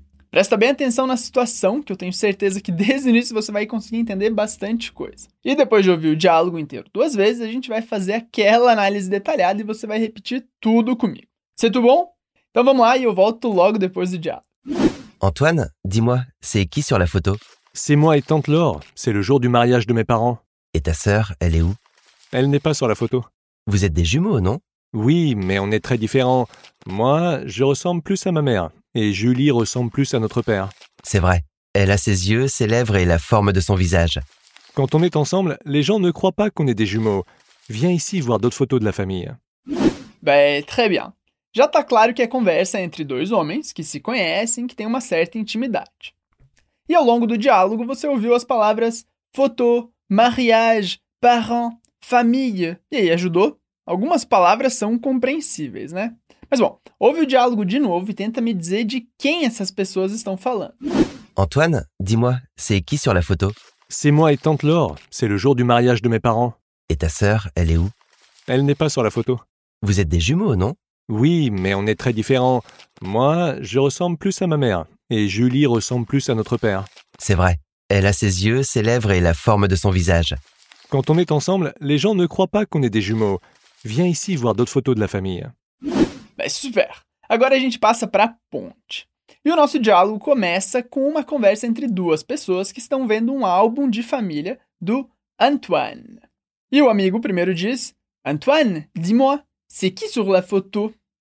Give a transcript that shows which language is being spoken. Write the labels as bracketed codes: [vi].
[pt] Presta bem atenção na situação, que eu tenho certeza que desde o início você vai conseguir entender bastante coisa. E depois de ouvir o diálogo inteiro duas vezes, a gente vai fazer aquela análise detalhada e você vai repetir tudo comigo. [fr] C'est tout bon? [pt] Então vamos lá e eu volto logo depois do diálogo. [fr] Antoine, dis-moi, c'est qui sur la photo? C'est moi et tante Laure. C'est le jour du mariage de mes parents. Et ta sœur, elle est où? Elle n'est pas sur la photo. Vous êtes des jumeaux, non? Oui, mais on est très différents. Moi, je ressemble plus à ma mère. Et Julie ressemble plus à notre père. C'est vrai. Elle a ses yeux, ses lèvres et la forme de son visage. Quand on est ensemble, les gens ne croient pas qu'on est des jumeaux. Viens ici voir d'autres photos de la famille. Ben, très bien. [pt] Já tá claro que a conversa é entre dois homens que se conhecem, que têm uma certa intimidade. E ao longo do diálogo, você ouviu as palavras photo, mariage, parent, famille. E aí, ajudou? Algumas palavras são compreensíveis, né? Mas bom, ouve o diálogo de novo e tenta me dizer de quem essas pessoas estão falando. [fr] Antoine, dis-moi, c'est qui sur la photo? C'est moi et tante Laure. C'est le jour du mariage de mes parents. Et ta sœur, elle est où? Elle n'est pas sur la photo. Vous êtes des jumeaux, non? Oui, mais on est très différents. Moi, je ressemble plus à ma mère. Et Julie ressemble plus à notre père. C'est vrai. Elle a ses yeux, ses lèvres et la forme de son visage. Quand on est ensemble, les gens ne croient pas qu'on est des jumeaux. Viens ici voir d'autres photos de la famille. Ben super. [pt] Agora a gente passa para a ponte. E o nosso diálogo começa com uma conversa entre duas pessoas que estão vendo um álbum de família do Antoine. E o amigo primeiro diz, [fr] Antoine, dis-moi, c'est qui sur la photo?